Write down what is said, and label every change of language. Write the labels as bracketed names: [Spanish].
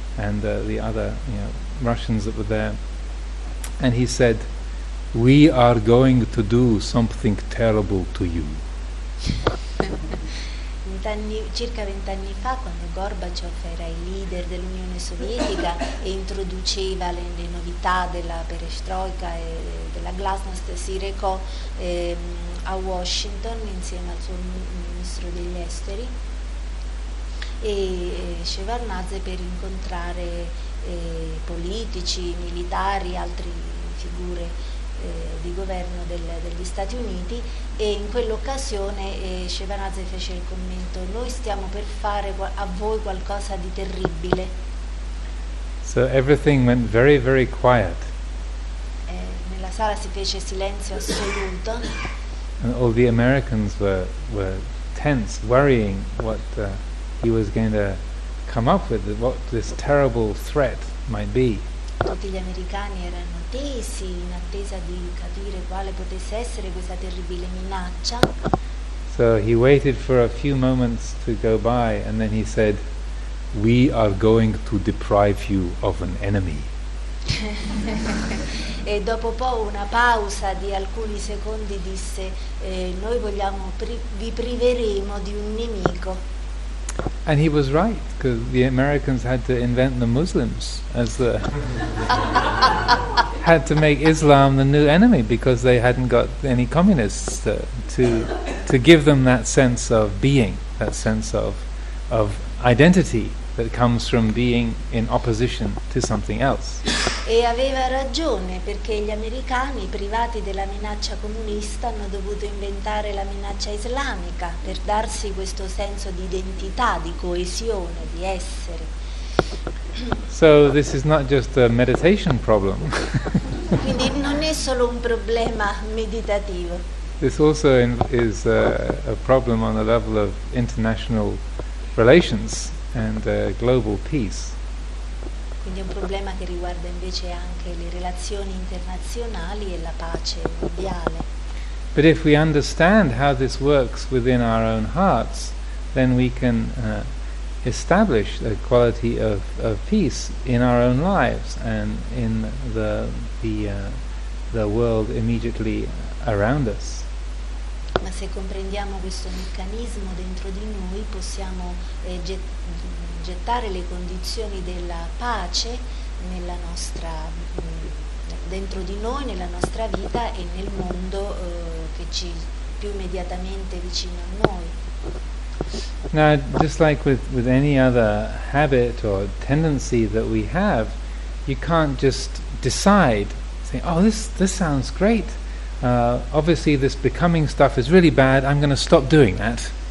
[English] and the other Russians that were there, and he said, "We are going to do something terrible to you." [Italian] Circa vent'anni fa, quando Gorbaciov era il leader dell'Unione Sovietica e introduceva le novità della perestroika e della glasnost, si recò a Washington insieme al suo ministro degli esteri e Shevardnadze per incontrare politici, militari, altre figure di governo degli Stati Uniti, e in quell'occasione Shevardnadze fece il commento: "Noi stiamo per fare a voi qualcosa di terribile." [English] So everything went very, very quiet. [Italian] Nella sala si fece silenzio assoluto. [English] And all the Americans were tense, worrying what he was going to come up with, what this terrible threat might be. [Italian] Tutti gli americani erano tesi in attesa di capire quale potesse essere questa terribile minaccia. [English] So he waited for a few moments to go by and then he said, "We are going to deprive you of an enemy." [Italian] E dopo una pausa di alcuni secondi disse, "Noi vogliamo vi priveremo di un nemico." [English] And he was right, because the Americans had to invent the Muslims as the had to make Islam the new enemy, because they hadn't got any communists to give them that sense of being, that sense of identity that comes from being in opposition to something else. [Italian] E aveva ragione, perché gli americani, privati della minaccia comunista, hanno dovuto inventare la minaccia islamica per darsi questo senso di identità, di coesione, di essere. [English] So this is not just a meditation problem. [Italian] Quindi non è solo un problema meditativo. [English] This also is a problem on the level of international relations and global peace. [Italian] Quindi è un problema che riguarda invece anche le relazioni internazionali e la pace mondiale. [English] But if we understand how this works within our own hearts, then we can establish a quality of peace in our own lives and in the world immediately around us. [Italian] Ma se comprendiamo questo meccanismo dentro di noi, possiamo gettare le condizioni della pace nella nostra, dentro di noi, nella nostra vita e nel mondo che ci più immediatamente vicino a noi. [English] Now, just like with any other habit or tendency that we have, you can't just decide, say, "Oh, this sounds great. Obviously this becoming stuff is really bad, I'm going to stop doing that."